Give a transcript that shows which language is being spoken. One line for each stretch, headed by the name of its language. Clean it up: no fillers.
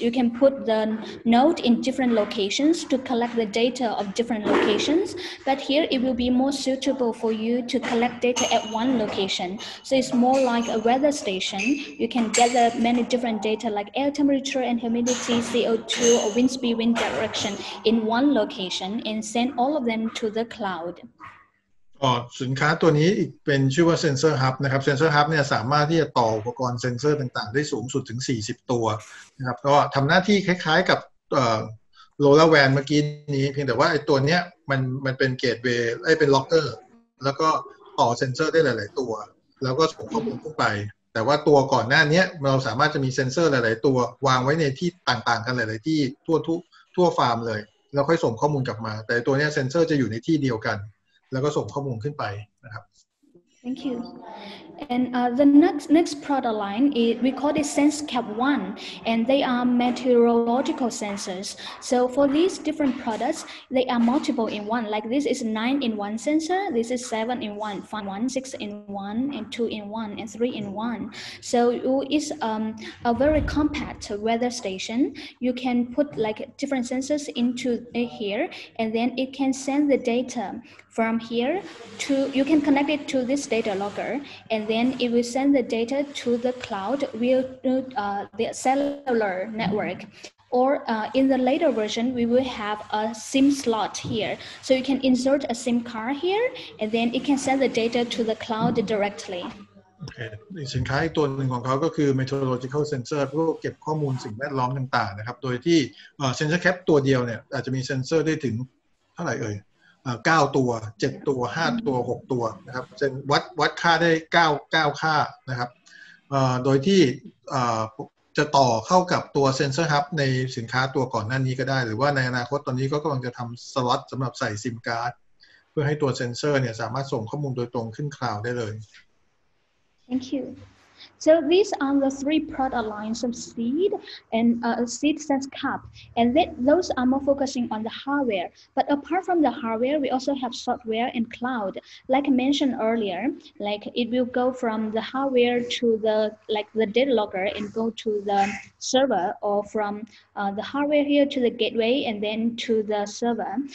English: You can put the node in different locations to collect the data of different locations, but here it will be more suitable for you to collect data at one location. So it's more like a weather station. You can gather many different data like air temperature and humidity, CO2 or wind speed, wind direction in one location and send all of them to the cloud.
Thai: สินค้าตัวนี้อีกเป็นชื่อว่า Sensor Hub นะครับ Sensor Hub เนี่ยสามารถที่จะต่ออุปกรณ์เซ็นเซอร์ต่างๆได้สูงสุดถึง40ตัวนะครับก็ทำหน้าที่คล้ายๆกับ LoRaWAN เมื่อกี้นี้เพียงแต่ว่าไอ้ตัวเนี้ยมันเป็นเกตเวย์ไอ้เป็นล็อกเกอร์แล้วก็ต่อเซ็นเซอร์ได้หลายๆตัวแล้วก็ส่งข้อมูลขึ้นไปแต่ว่าตัวก่อนหน้านี้เราสามารถจะมีเซ็นเซอร์หลายๆตัววางไว้ในที่ต่างๆกันหลายๆที่ทั่วฟาร์มเลยแล้วค่อยส่งข้อมูลกลับมาแต่ตัวเนี้ยเซ็นเซอร์จะอยู่ในที่เดียวกันแล้วก็ส่งข้อมูลขึ้นไปนะครับ
English: Thank you. And the next product line, we call it SenseCap 1, and they are meteorological sensors. So for these different products, they are multiple in one. Like this is 9-in-1 sensor, this is 7-in-1, 5-in-1, 6-in-1, and 2-in-1, and 3-in-1. So it's a very compact weather station. You can put like different sensors into here, and then it can send the data from here to, you can connect it to this data logger, and then it will send the data to the cloud via the cellular network. Or in the later version, we will have a SIM slot here. So you can insert a SIM card here, and then it can send the data to the cloud directly. Okay.
Thai: สินค้าอีกตัวหนึ่งของเขาก็คือ meteorological sensor พวกเก็บข้อมูลสิ่งแวดล้อมต่างๆนะครับโดยที่sensor cap ตัวเดียวเนี่ยอาจจะมีเซ็นเซอร์ได้ถึงเท่าไหร่เอ่ย9ตัว7ตัว5ตัว6ตัวนะครับเซ็นวัดค่าได้9ค่านะครับโดยที่จะต่อเข้ากับตัว sensor hub ในสินค้าตัวก่อนหน้านี้ก็ได้หรือว่าในอนาคตตอนนี้ก็กำลังจะทำสล็อตสำหรับใส่ซิมการ์ดเพื่อให้ตัวเซ็นเซอร์เนี่ยสามารถส่งข้อมูลโดยตรงขึ้นคลาวด์ได้เลย
English: Thank you. So these are the three product lines of Seed and Seed SenseCap. And those are more focusing on the hardware. But apart from the hardware, we also have software and cloud. Like I mentioned earlier, like it will go from the hardware to the like the data logger and go to the server, or from the hardware here to the gateway and then to the server.